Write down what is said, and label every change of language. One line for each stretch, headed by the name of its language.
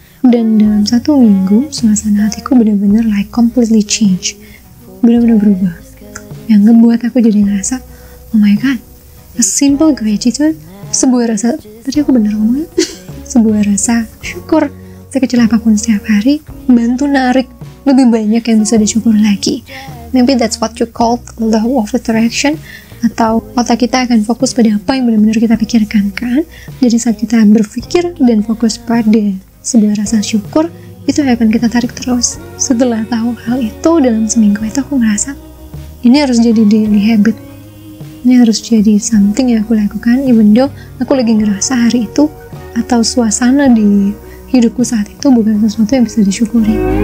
Indonesian: Dan dalam satu minggu, suasana hatiku benar-benar
English: like completely change.
Indonesian: Benar-benar berubah. Yang ngebuat aku jadi ngerasa,
English: oh my god, a simple gratitude,
Indonesian: sebuah rasa, tadi aku benar ngomong ya? Sebuah rasa syukur sekecil apapun setiap hari, bantu narik lebih banyak yang bisa disyukur lagi.
English: Maybe that's what you call the law of attraction.
Indonesian: Atau otak kita akan fokus pada apa yang benar-benar kita pikirkan, kan? Jadi saat kita berpikir dan fokus pada sebuah rasa syukur, itu yang akan kita tarik terus. Setelah tahu hal itu, dalam seminggu itu aku ngerasa, ini harus jadi daily habit. Ini harus jadi something yang aku lakukan,
English: even though
Indonesian: aku lagi ngerasa hari itu, atau suasana di hidupku saat itu bukan sesuatu yang bisa disyukuri.